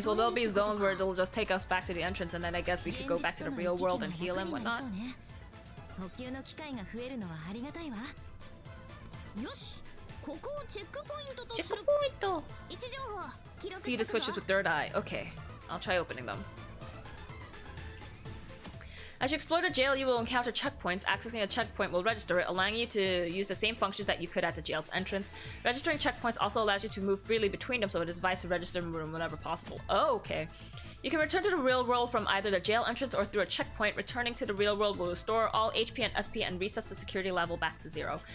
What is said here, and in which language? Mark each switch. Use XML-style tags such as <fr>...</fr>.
<en>so there'll be zones where they'll just take us back to the entrance and then I guess we could go back to the real world and heal and whatnot.</en> <ja>呼吸の機会が増えるのはありがたいわ。よし、ここをチェックポイントとする。チェックポイント。位置情報記録。</ja> <en>See the switches with third eye. Okay, I'll try opening them. As you explore the jail, you will encounter checkpoints. Accessing a checkpoint will register it, allowing you to use the same functions that you could at the jail's entrance. Registering checkpoints also allows you to move freely between them, so it is advised to register in the room whenever possible. Oh, okay. You can return to the real world from either the jail entrance or through a checkpoint. Returning to the real world will restore all HP and SP and reset the security level back to zero.</en>